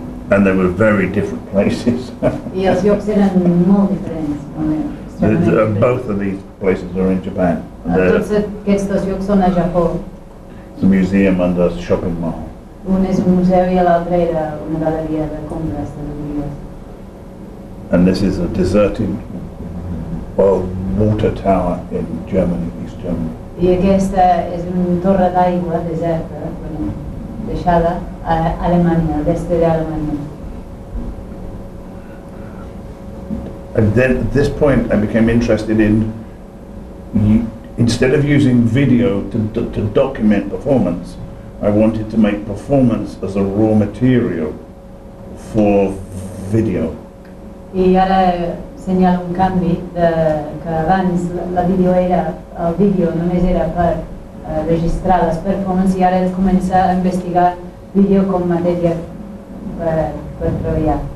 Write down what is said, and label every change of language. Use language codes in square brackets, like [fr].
[en] And they were very different places. [ca] I els llocs eren molt diferents. [en] Both of these places are in Japan. [ca] Tots aquests dos llocs són a Japó. [en] It's a museum and a shopping mall. [ca] Un és un museu i l'altre era una galeria de compres. [en] And this is a deserted water tower in Germany, East Germany. [ca] I aquesta és una torre d'aigua deserta, deixada a Alemanya, a l'est d'Alemanya. [en] And then at this point I became interested in, instead of using video to document performance, I wanted to make performance as a raw material for video. [ca] I ara senyalo un canvi de que abans la video era, el vídeo només era per registrar les performances, i ara he començat a investigar vídeo com matèria per treballar.